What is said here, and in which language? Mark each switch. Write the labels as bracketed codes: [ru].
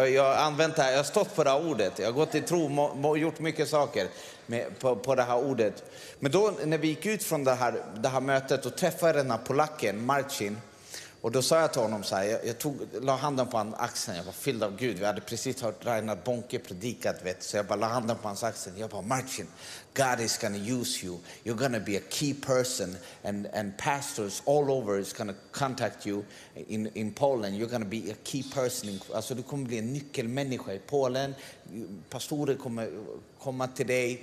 [sv] Jag har stått på det här ordet. Jag har gått i tro och gjort mycket saker på det här ordet. Men då när vi gick ut från det här mötet och träffade den här polacken, Marcin. Och då sa jag till honom så här, la handen på hans axeln. Jag var fylld av Gud. Vi hade precis hört Reinhard Bonnke predikat, vet. Så jag bara la handen på hans axeln. Jag bara, [en] Marcin, God is gonna use you. You're gonna be a key person. And pastors all over is gonna contact you in Poland. You're gonna be a key person. [sv] Alltså du kommer bli en nyckelmänniska i Polen. Pastorer kommer komma till dig.